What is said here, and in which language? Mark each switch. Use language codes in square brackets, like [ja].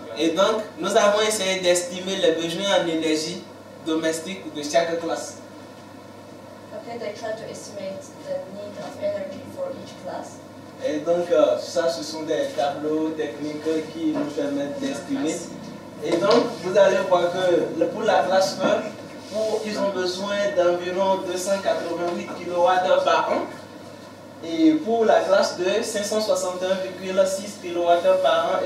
[fr] Et donc, nous avons essayé d'estimer les besoins en énergie domestique de chaque classe. [en] Okay, they try to estimate the need of energy for each class. [fr] Et donc, ça, ce sont des tableaux techniques qui nous permettent d'estimer. Et donc, vous allez voir que pour la classe 1, pour, ils ont besoin d'environ 288 kWh par an. Et pour la classe 2, 561,6 kWh par an.